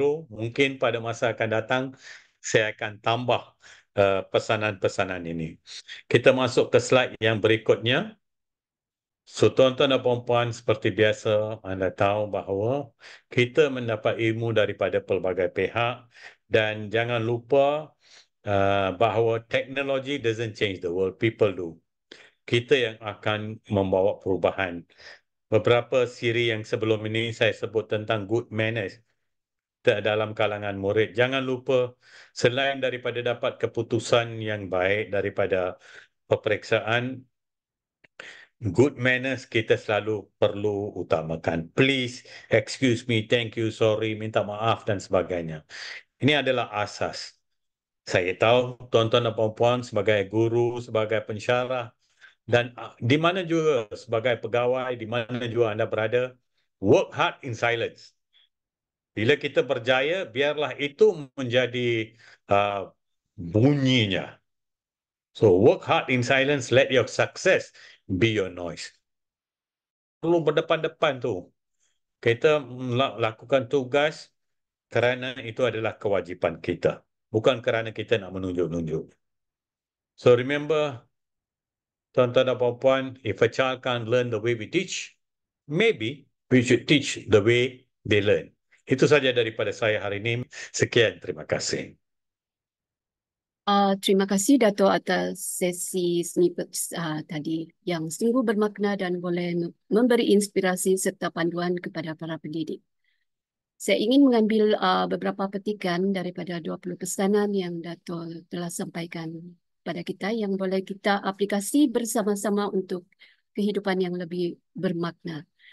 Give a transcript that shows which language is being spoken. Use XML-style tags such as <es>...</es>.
<ms>Mungkin pada masa akan datang, saya akan tambah pesanan-pesanan ini. Kita masuk ke slide yang berikutnya. So, tuan-tuan dan puan-puan, seperti biasa, anda tahu bahawa kita mendapat ilmu daripada pelbagai pihak dan jangan lupa bahawa teknologi</ms> <en>doesn't change the world, people do.</en> <ms>Kita yang akan membawa perubahan. Beberapa siri yang sebelum ini saya sebut tentang good manners dalam kalangan murid. Jangan lupa, selain daripada dapat keputusan yang baik daripada peperiksaan, good manners kita selalu perlu utamakan.</ms> <en>Please, excuse me, thank you, sorry,</en> <ms>minta maaf dan sebagainya. Ini adalah asas. Saya tahu tuan-tuan dan puan-puan sebagai guru, sebagai pensyarah dan di mana juga sebagai pegawai, di mana juga anda berada,</ms> <en>work hard in silence.</en> <ms>Bila kita berjaya, biarlah itu menjadi bunyinya.</ms> <en>So, work hard in silence, let your success be your noise.</en> <ms>Perlu berdepan-depan tu. Kita lakukan tugas kerana itu adalah kewajipan kita. Bukan kerana kita nak menunjuk-nunjuk.</ms> <en>So, remember,</en> <ms>tuan-tuan dan puan-puan,</ms> <en>if a child can't learn the way we teach, maybe we should teach the way they learn.</en> <ms>Itu saja daripada saya hari ini. Sekian, terima kasih. Terima kasih Dato' atas sesi snippets tadi yang sungguh bermakna dan boleh memberi inspirasi serta panduan kepada para pendidik. Saya ingin mengambil beberapa petikan daripada 20 pesanan yang Dato' telah sampaikan pada kita yang boleh kita aplikasi bersama-sama untuk kehidupan yang lebih bermakna.</ms>